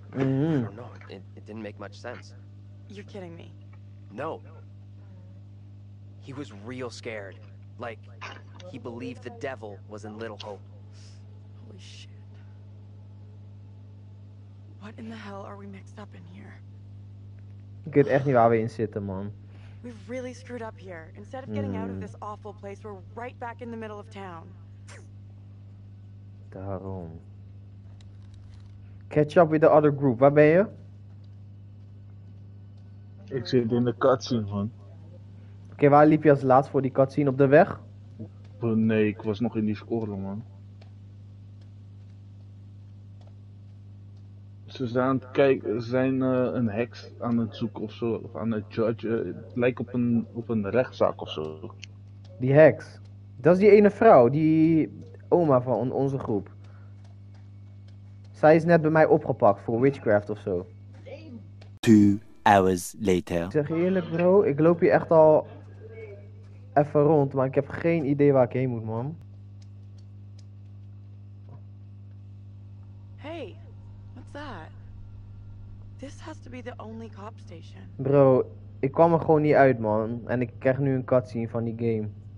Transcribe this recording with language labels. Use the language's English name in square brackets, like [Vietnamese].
[English] Mm-hmm. I don't know. It didn't make much sense. You're kidding me. No. He was real scared. Like, he believed the devil was in Little Hope. Holy shit. What in the hell are we mixed up in here? [Dutch] Ik weet echt niet waar we in zitten, man. [English] We've really screwed up here. Instead of getting out of this awful place, we're right back in the middle of town. Daarom. Catch up with the other group. [Dutch] Waar ben je? Ik zit in de cutscene, man. Oké, waar liep je als laatst voor die cutscene? Op de weg? Nee, ik was nog in die score, man. Ze zijn aan het kijken, zijn een heks aan het zoeken of zo, of aan het judge. Het lijkt op een rechtszaak of zo. Die heks? Dat is die ene vrouw, die oma van onze groep. Z- Zij is net bij mij opgepakt voor witchcraft of zo. [English] 2 hours later. [Dutch] Ik zeg eerlijk bro, ik loop hier echt al even rond, maar ik heb geen idee waar ik heen moet, man. [English] Hey, what's that? This has to be the only cop station. [Dutch] Bro, ik kwam er gewoon niet uit, man, en ik krijg nu een cutscene van die game.